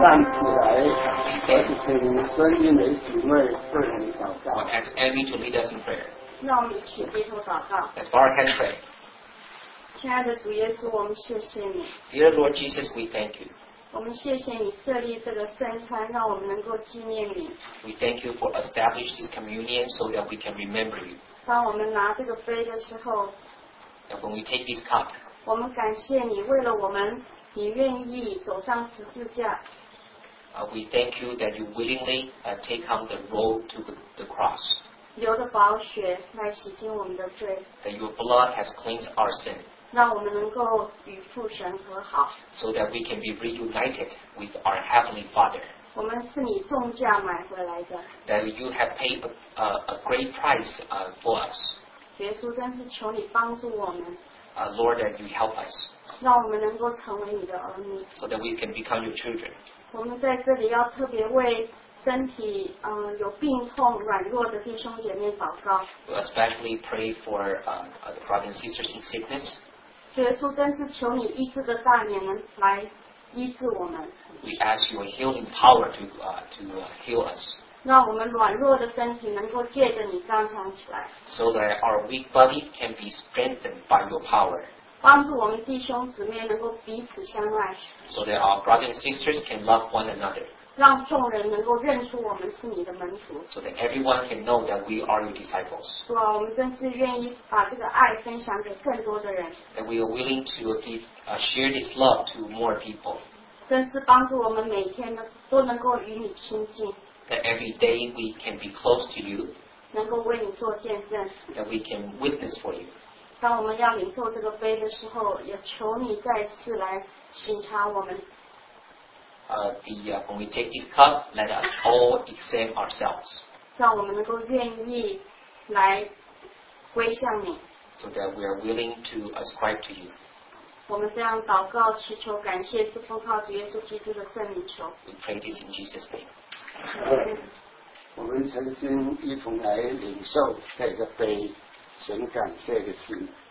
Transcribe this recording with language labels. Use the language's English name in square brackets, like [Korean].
[Chinese] 身边每一位为我们祷告。 [English] I want ask Abby to lead us in prayer. [Chinese] 让我们一起低头祷告。 [English] Let's bow our heads pray. [Chinese] 亲爱的主耶稣，我们谢谢你。 [English] Dear Lord Jesus, we thank you. [Chinese] 我们谢谢你设立这个圣餐，让我们能够纪念你。 [English] We thank you for establishing this communion so that we can remember you. [Chinese] 当我们拿这个杯的时候。 [English] And when we take this cup. [Chinese] 我们感谢你为了我们。你愿意走上十字架。 [English] We thank you that you willingly take on the road to the cross. [Chinese] 流的宝血来洗净我们的罪。 [English] That your blood has cleansed our sin. [Chinese] 让我们能够与父神和好。 [English] So that we can be reunited with our heavenly Father. [Chinese] 我们是你重价买回来的。 [English] That you have paid a great price for us. [Chinese] 耶稣，真是求你帮助我们。 [English] Lord, that you help us. [Chinese] 让我们能够成为你的儿女。 [English] So that we can become your children. [Chinese] 我们在这里要特别为身体有病痛、软弱的弟兄姐妹祷告。 [English] We especially pray for the brothers and sisters in sickness. [Chinese] 耶稣，真是求你医治的大能来医治我们。 [English] We ask your healing power to heal us. [Chinese] 让我们软弱的身体能够借着你刚强起来。 [English] So that our weak body can be strengthened by your power. [Chinese] 帮助我们弟兄姊妹能够彼此相爱。 [English] So that our brothers and sisters can love one another. [Chinese] 让众人能够认出我们是你的门徒。 [English] So that everyone can know that we are your disciples. [Chinese] 主啊，我们真是愿意把这个爱分享给更多的人。 [English] That we are willing to share this love to more people. [Chinese] 真是帮助我们每天都能够与你亲近。 [English] That every day we can be close to you. [Chinese] 能够为你做见证。 [English] That we can witness for you. [Chinese] 当我们要领受这个杯的时候，也求你再次来审查我们。 [English] When we take this cup, let us all examine ourselves. [Chinese] 让我们能够愿意来归向你。 [English] So that we are willing to ascribe to you. [Chinese] 我们这样祷告祈求感谢，是奉靠主耶稣基督的圣名求。 [English] We pray this in Jesus' name. [Chinese] 我们诚心一同来领受这个杯，存感谢的心。